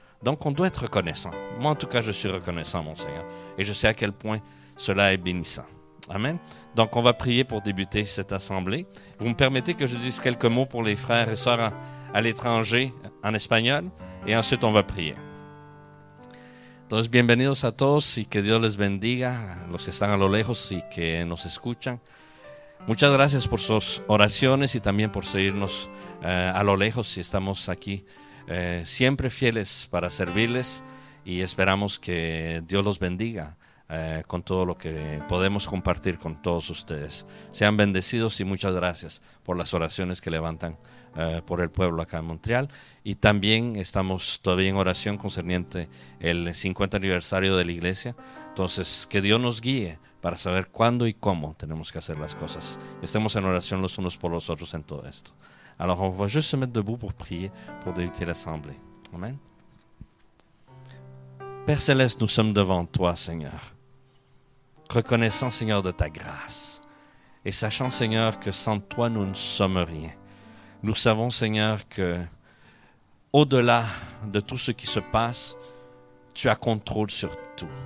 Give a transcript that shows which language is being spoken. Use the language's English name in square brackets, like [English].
[French] Donc on doit être reconnaissant. Moi en tout cas, je suis reconnaissant, mon Seigneur. Et je sais à quel point cela est bénissant. Amen. Donc on va prier pour débuter cette assemblée. Vous me permettez que je dise quelques mots pour les frères et sœurs à l'étranger, en espagnol, et ensuite on va prier. [Spanish] Entonces, bienvenidos a todos y que Dios les bendiga, los que están a lo lejos y que nos escuchan. Muchas gracias por sus oraciones y también por seguirnos a lo lejos. Y estamos aquí siempre fieles para servirles y esperamos que Dios los bendiga con todo lo que podemos compartir con todos ustedes. Sean bendecidos y muchas gracias por las oraciones que levantan por el pueblo acá en Montreal. Y también estamos todavía en oración concerniente el 50 aniversario de la iglesia. Entonces, que Dios nos guíe para saber cuándo y cómo tenemos que hacer las cosas. Estemos en oración los unos por los otros en todo esto. [French] Alors, on va juste se mettre debout pour prier, pour débuter l'assemblée. Amen. Père Céleste, nous sommes devant toi, Seigneur, reconnaissant, Seigneur, de ta grâce et sachant, Seigneur, que sans toi, nous ne sommes rien. Nous savons, Seigneur, que au-delà de tout ce qui se passe, tu as contrôle sur tout.